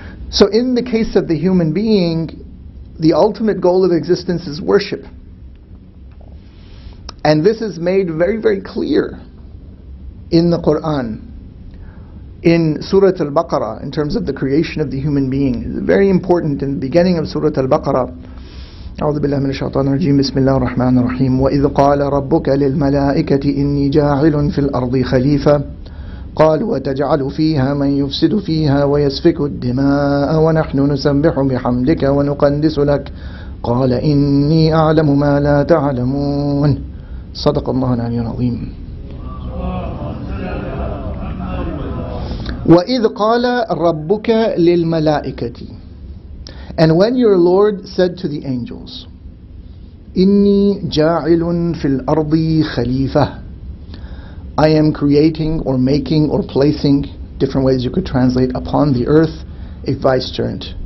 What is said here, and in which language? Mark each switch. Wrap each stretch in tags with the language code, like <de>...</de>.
<en>So in the case of the human being, the ultimate goal of existence is worship. And this is made very, very clear in the Quran, in Surah Al-Baqarah, in terms of the creation of the human being. It's very important in the beginning of Surah Al-Baqarah.</en> <ar>أعوذ بالله من الشيطان الرجيم بسم الله الرحمن الرحيم وإذ قال ربك للملائكة إني جاعل في الأرض خليفة قال وتجعل فيها من يفسد فيها ويسفك الدماء ونحن نسبح بحمدك ونقدس لك قال إني أعلم ما لا تعلمون صدق الله العلي العظيم. وإذ قال ربك للملائكة,</ar> <en>and when your Lord said to the angels,</en> <ar>إني جاعل في الأرض خليفة,</ar> <en>I am creating or making or placing, different ways you could translate, upon the earth a vicegerent.</en>